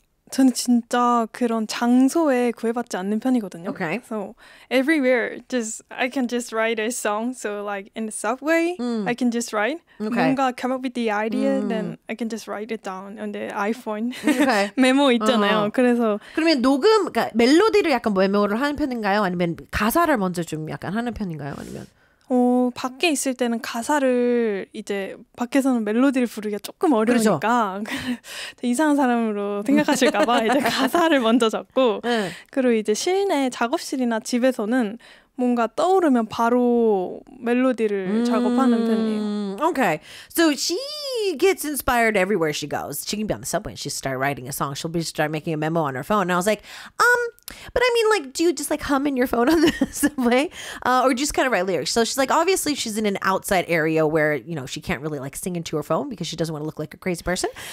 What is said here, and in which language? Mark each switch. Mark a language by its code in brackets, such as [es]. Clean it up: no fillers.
[ko] 저는 진짜 그런 장소에 구애받지 않는 편이거든요. [en] Okay. So everywhere, I can just write a song. So like in the subway, I can just write. Okay. [ko] 뭔가 [en] come up with the idea, then I can just write it down on the iPhone. Okay. [ko] 메모 있잖아요. 그래서 그러면 녹음, 그러니까 멜로디를 약간 메모를 하는 편인가요? 아니면 가사를 먼저 좀 약간 하는 편인가요? 아니면 밖에 있을 때는 가사를 이제 밖에서는 멜로디를 부르기가 조금 어려우니까 그렇죠. 이상한 사람으로 생각하실까 봐 이제 가사를 먼저 적고 응. 그리고 이제 실내 작업실이나 집에서는 뭔가 떠오르면 바로 멜로디를 작업하는 편이에요. [en] Okay. So she gets inspired everywhere she goes. She can be on the subway and she start writing a song. She'll be start making a memo on her phone. And I was like, but I mean, like, do you just like hum in your phone on the subway? Or just kind of write lyrics? So she's like, obviously she's in an outside area where, you know, she can't really like sing into her phone because she doesn't want to look like a crazy person.